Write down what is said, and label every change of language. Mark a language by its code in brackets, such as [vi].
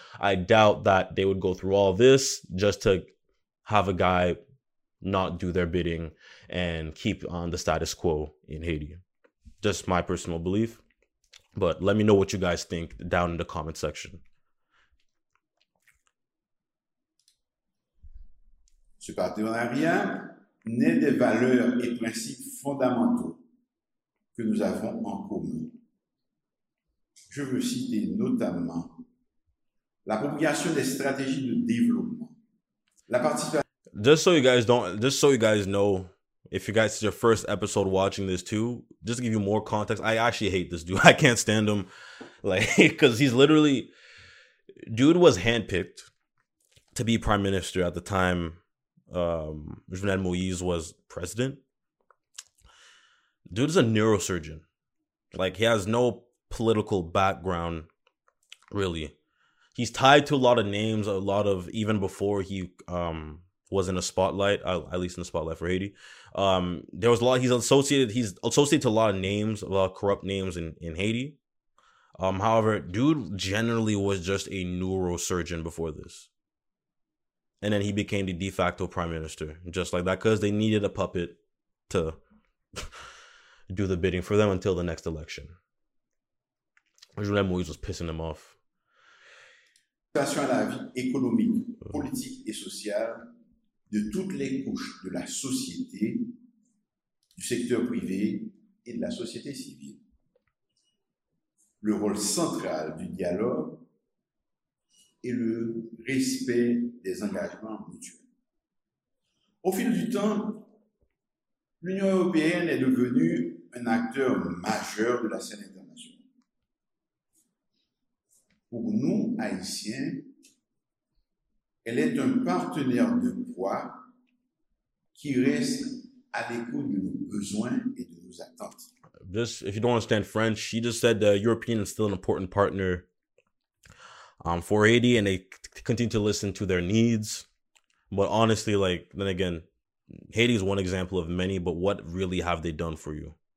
[en] I doubt that they would go through all this just to have a guy not do their bidding and keep on the status quo in Haiti. Just my personal belief. But let me know what you guys think down in the comment section. [fr] Ce partenariat naît des valeurs et principes fondamentaux que nous avons en commun. Je veux citer notamment l'appropriation des stratégies de développement. La participation. [en] Just so you guys know, if you guys is your first episode watching this too, just to give you more context, I actually hate this dude. I can't stand him. Like, because he's literally, dude was handpicked to be prime minister at the time Jovenel Moïse was president. Dude is a neurosurgeon. Like, he has no political background, really. He's tied to a lot of names, a lot of, even before he was in the spotlight, at least in the spotlight for Haiti. There was a lot, he's associated to a lot of names, a lot of corrupt names in Haiti. However, dude generally was just a neurosurgeon before this. And then he became the de facto prime minister, just like that, because they needed a puppet to do the bidding for them until the next election. Jovenel Moïse was pissing them off. [fr] Situation à la vie économique, politique et sociale de toutes les couches de la société, du secteur privé et de la société civile. Le rôle central du dialogue et le respect des engagements mutuels. Au fil du temps, l'Union européenne est devenue un acteur majeur de la scène internationale. Pour nous, Haïtiens, elle est un partenaire de poids qui reste à l'écoute de nos besoins et de nos attentes. [en] Just, if you don't understand French, she just said the European is still an important partner for Haiti, and they continue to listen to their needs. But honestly, like, then again, Haiti is one example of many, but what really have they done for you?